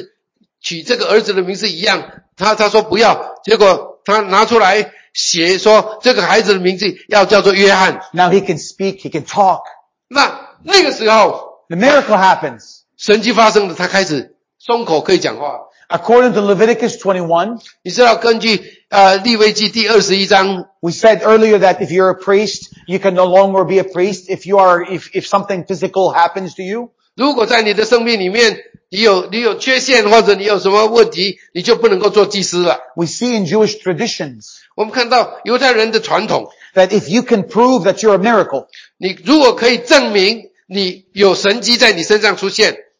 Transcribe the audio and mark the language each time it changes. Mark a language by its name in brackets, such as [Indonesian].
[Chinese] 人家家人要把他的名字取这个儿子的名字一样, 他说不要, 结果他拿出来写说这个孩子的名字要叫做约翰。 [English] Now he can speak, he can talk. [Chinese] 那个时候, [English] The miracle happens. [Chinese] 神迹发生了，他开始松口可以讲话。 [English] According to Leviticus 21, [Chinese] 你知道根据, 利未记第21章, [English] we said earlier that if you're a priest, you can no longer be a priest if something physical happens to you. [Chinese] 如果在你的生命里面你有缺陷或者你有什么问题, 你就不能够做祭司了。 [English] We see in Jewish traditions, [Chinese] 我们看到犹太人的传统, [English] that if you can prove that you're a miracle, [Chinese] 你如果可以证明, 你有神迹在你身上出现,